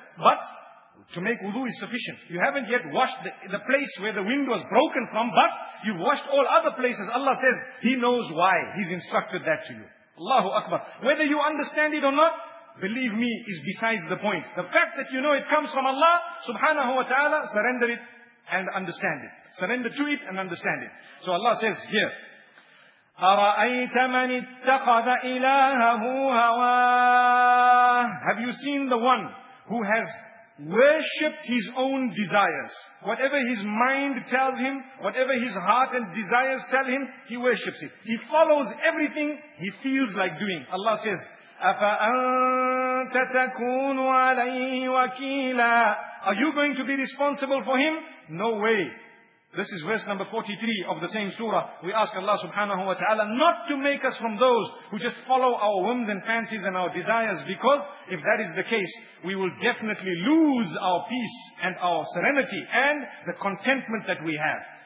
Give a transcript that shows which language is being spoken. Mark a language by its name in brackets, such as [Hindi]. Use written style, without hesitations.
[English] But to make wudu is sufficient. You haven't yet washed the place where the wind was broken from, but you've washed all other places. Allah says, He knows why. He's instructed that to you. Allahu Akbar. Whether you understand it or not, believe me, is besides the point. The fact that you know it comes from Allah, subhanahu wa ta'ala, surrender it and understand it. Surrender to it and understand it. So Allah says here, [Arabic] أَرَأَيْتَ مَنِ اتَّخَذَ إِلَاهَهُ هَوَاهُ. [English] Have you seen the one who has worshipped his own desires? Whatever his mind tells him, whatever his heart and desires tell him, he worships it. He follows everything he feels like doing. Allah says, [Arabic] أَفَأَنْتَ تَكُونُ عَلَيْهِ وَكِيلًا. [English] Are you going to be responsible for him? No way. This is verse number 43 of the same surah. We ask Allah subhanahu wa ta'ala not to make us from those who just follow our whims and fancies and our desires, because if that is the case, we will definitely lose our peace and our serenity and the contentment that we have.